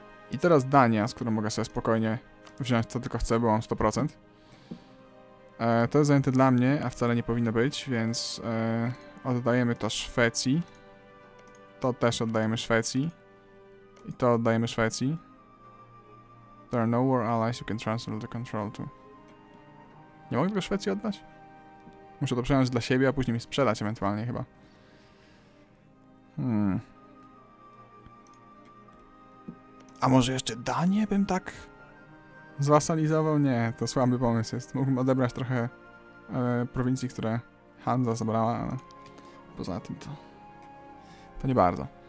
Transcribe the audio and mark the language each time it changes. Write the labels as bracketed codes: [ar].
[pl] I teraz Dania, z którą mogę sobie spokojnie wziąć co tylko chcę, bo mam 100%. To jest zajęte dla mnie, a wcale nie powinno być, więc oddajemy to Szwecji. To też oddajemy Szwecji. I to oddajemy Szwecji. [en] There are no war allies you can transfer the control to. [pl] Nie mogę tego Szwecji oddać? Muszę to przejąć dla siebie, a później mi sprzedać ewentualnie chyba. A może jeszcze Danię bym tak zwasalizował? Nie, to słaby pomysł jest. Mógłbym odebrać trochę prowincji, które Hansa zabrała, ale poza tym to... To nie bardzo.